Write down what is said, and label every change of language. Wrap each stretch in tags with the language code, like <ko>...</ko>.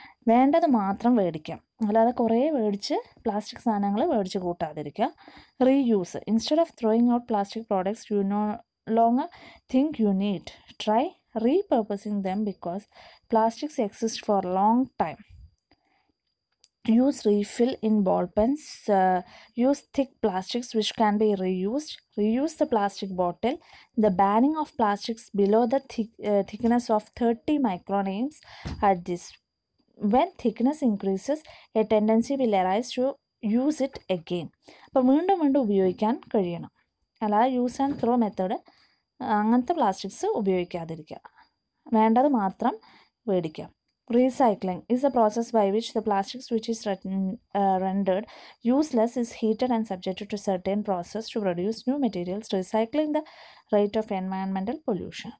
<ml>വേണ്ടത് മാത്രം മേടിക്കാം, അല്ലാതെ കുറേ മേടിച്ച് പ്ലാസ്റ്റിക് സാധനങ്ങൾ മേടിച്ച് കൂട്ടാതിരിക്കുക.</ml> <en>Reuse, instead of throwing out plastic products you no longer think you need, try repurposing them, because plastics exist for long time. Use refill in ball pens. Use thick plastics which can be reused. Reuse the plastic bottle. The banning of plastics below the thickness of 30 microns at this. When thickness increases, a tendency will arise to use it again.</en> <ml>അപ്പോൾ വീണ്ടും വീണ്ടും ഉപയോഗിക്കാൻ കഴിയണം, അല്ലാതെ use and throw method അങ്ങനത്തെ plastics ഉപയോഗിക്കാതിരിക്കുക. വേണ്ടത് മാത്രം മേടിക്കാം.</ml> <en>Recycling is a process by which the plastics which is rendered useless is heated and subjected to certain process to produce new materials, recycling the rate of environmental pollution.</en>